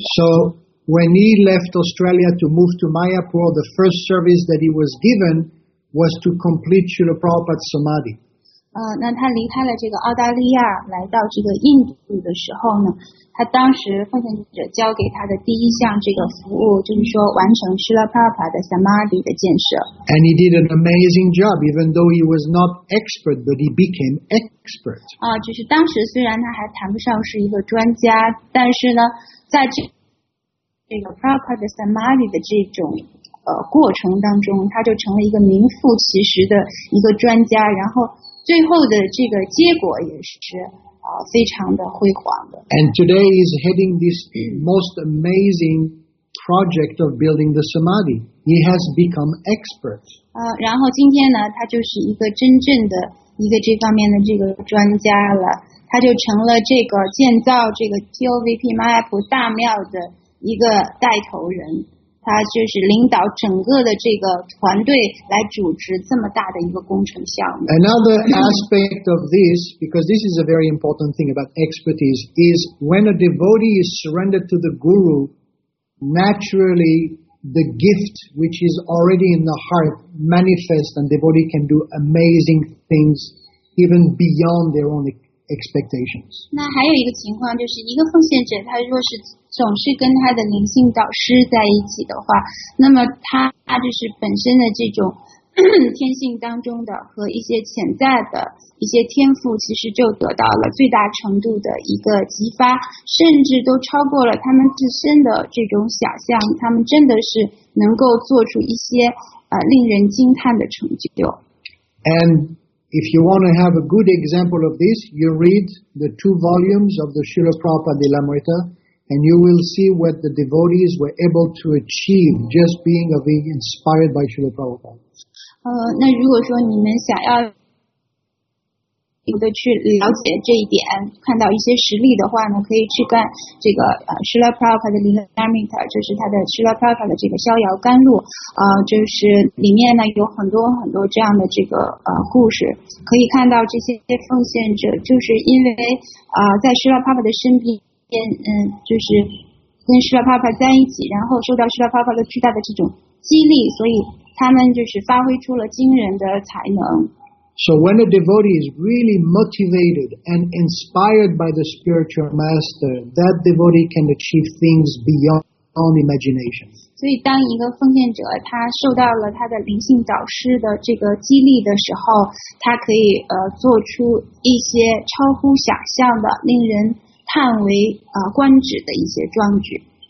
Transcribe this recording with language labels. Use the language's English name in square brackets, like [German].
[English] So when he left Australia to move to Mayapur, the first service that he was given was to complete Srila Prabhupada's Samadhi. [Chinese] 那他离开了这个澳大利亚来到这个印度的时候呢，他当时奉献者交给他的第一项这个服务就是说完成 Srila Prabhupada 的 Samadhi 的建设。 [English] And he did an amazing job, even though he was not expert, but he became expert. [Chinese] 就是当时虽然他还谈不上是一个专家，但是呢，在这个 Prabhupada 的 Samadhi 的这种过程当中，他就成了一个名副其实的一个专家，然后最后的这个结果也是非常的辉煌的。 [English] And today he's heading this most amazing project of building the samadhi. He has become expert. [Chinese] 然后今天呢，他就是一个真正的一个这方面的这个专家了。他就成了这个建造这个 TOVP Mayapur 大庙的一个带头人。他就是领导整个的这个团队来主持这么大的一个工程项目。 [English] Another aspect of this, because this is a very important thing about expertise, is when a devotee is surrendered to the guru, naturally the gift which is already in the heart manifests, and devotee can do amazing things even beyond their own expectations. [Chinese] 那还有一个情况就是一个奉献者他若是总是跟他的灵性导师在一起的话，那么他就是本身的这种天性当中的和一些潜在的一些天赋其实就得到了最大程度的一个激发，甚至都超过了他们自身的这种想象，他们真的是能够做出一些令人惊叹的成就。 [English] And If you want to have a good example of this, you read the two volumes of the Srila Prabhupada Lilamrita, and you will see what the devotees were able to achieve just being of being inspired by Srila Prabhupada. [Chinese] 那如果说你们想要有的去了解这一点，看到一些实例的话呢，可以去看这个Srila Prabhupada的 Lilamrita， 就是他的 Srila Prabhupada 的这个逍遥甘露，就是里面呢有很多很多这样的这个故事，可以看到这些奉献者就是因为在 Srila Prabhupada 的身边，就是跟 Srila Prabhupada 在一起，然后受到 Srila Prabhupada 的巨大的这种激励，所以他们就是发挥出了惊人的才能。 [English] So when a devotee is really motivated and inspired by the spiritual master, that devotee can achieve things beyond imagination. [Chinese] 所以当一个奉献者他受到了他的灵性导师的这个激励的时候，他可以做出一些超乎想象的、令人叹为观止的一些壮举。